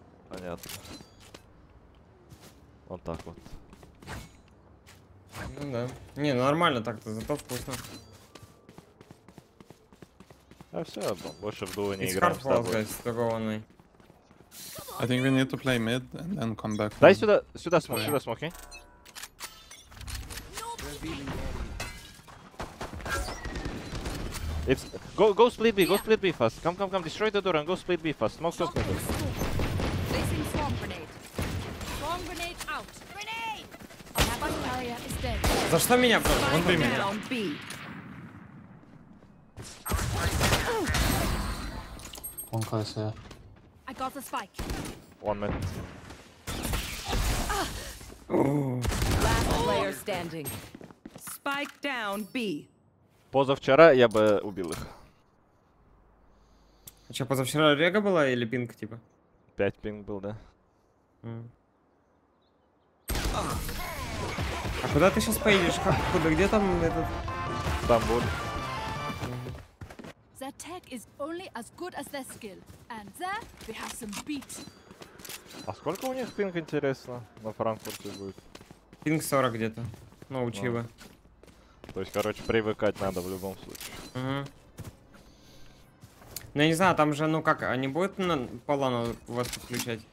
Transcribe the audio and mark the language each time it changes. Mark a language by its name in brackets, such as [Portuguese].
[Russian] Понятно. Вот так вот. Ну да. Не, нормально так-то, зато вкусно. А все, больше в дуо не играем с тобой. Guys, такованный. [English] I think we need to play mid and then come back. [Russian] Дай сюда, сюда смок, сюда смок, окей? [English] It's go go split B, go split B fast. Come come come, destroy the door and go split B fast. Smoke top. Facing swamp grenade. Strong grenade out. Grenade. [Russian] За что меня просто? Вон ты меня. [English] One close here. I got the spike. One minute. Last player standing. Spike down B. [Russian] Позавчера я бы убил их. А что, позавчера рега была или пинг, типа? 5 пинг был, да. А куда ты сейчас поедешь? Как, куда? Где там этот? Стамбул. [English] Their tech is only as good as their skill. And there, they have some beat. [Russian] А сколько у них пинг, интересно, на Франкфурте будет? Пинг 40 где-то. Ну, учиво. То есть, короче, привыкать надо в любом случае. Угу. Ну, я не знаю, там же, ну как, они будут на Полану вас подключать?